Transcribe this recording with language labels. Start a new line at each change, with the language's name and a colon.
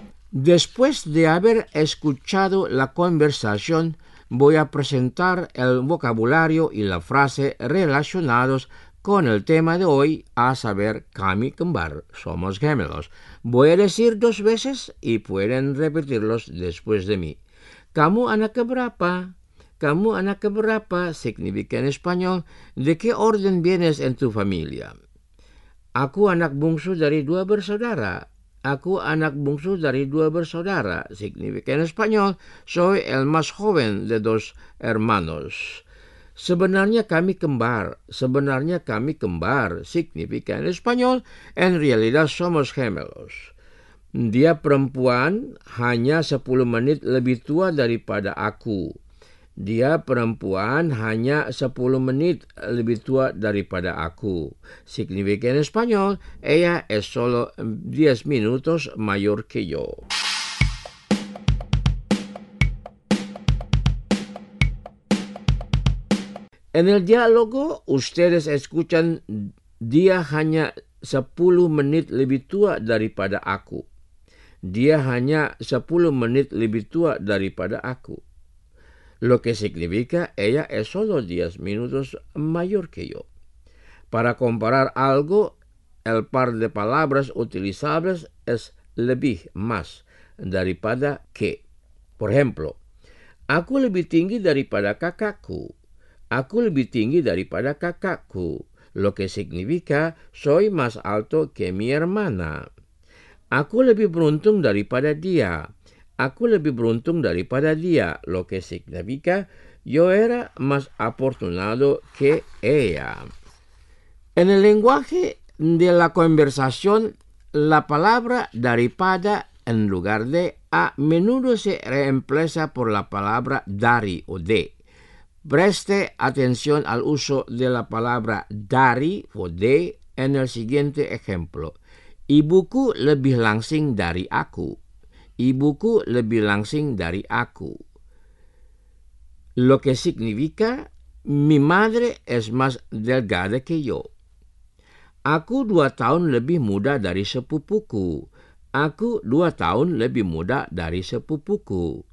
Spanish: Después de haber escuchado la conversación, voy a presentar el vocabulario y la frase relacionados con el tema de hoy, a saber, Kami Kembar, somos gemelos. Voy a decir dos veces y pueden repetirlos después de mí.
Indonesian: Kamu anak keberapa? Kamu anak keberapa
Spanish: significa en español, ¿de qué orden vienes en tu familia?
Indonesian: Aku anak bungsu dari dua bersaudara. Aku anak bungsu dari dua bersaudara
Spanish: significa en español, soy el más joven de dos hermanos.
Indonesian: Sebenarnya kami kembar
Spanish: significa en español, en realidad somos gemelos.
Indonesian: Dia perempuan hanya 10 menit lebih tua daripada aku. Dia perempuan hanya 10 menit lebih tua daripada aku.
Spanish: Significa en español, ella es solo 10 minutos mayor que yo. En el diálogo, ustedes escuchan,
Indonesian: dia hanya 10 menit lebih tua daripada aku. Dia hanya 10 menit lebih tua daripada aku.
Spanish: Lo que significa, ella es solo 10 minutos mayor que yo. Para comparar algo, el par de palabras utilizables es lebih, más, daripada que. Por ejemplo,
Indonesian: aku lebih tinggi daripada kakakku. Aku lebih tinggi daripada kakakku.
Spanish: Lo que significa, soy más alto que mi hermana.
Indonesian: Aku lebih beruntung daripada dia. Aku lebih beruntung daripada dia,
Spanish: lo que significa yo era más afortunado que ella. En el lenguaje de la conversación, la palabra daripada en lugar de a menudo se reemplaza por la palabra dari o de. Preste atención al uso de la palabra dari o de en el siguiente ejemplo.
Indonesian: Ibuku lebih langsing dari aku. Ibuku lebih langsing dari aku.
Spanish: Lo que significa, mi madre es más delgada que yo.
Indonesian: Aku 2 tahun lebih muda dari sepupuku. Aku 2 tahun lebih muda dari sepupuku.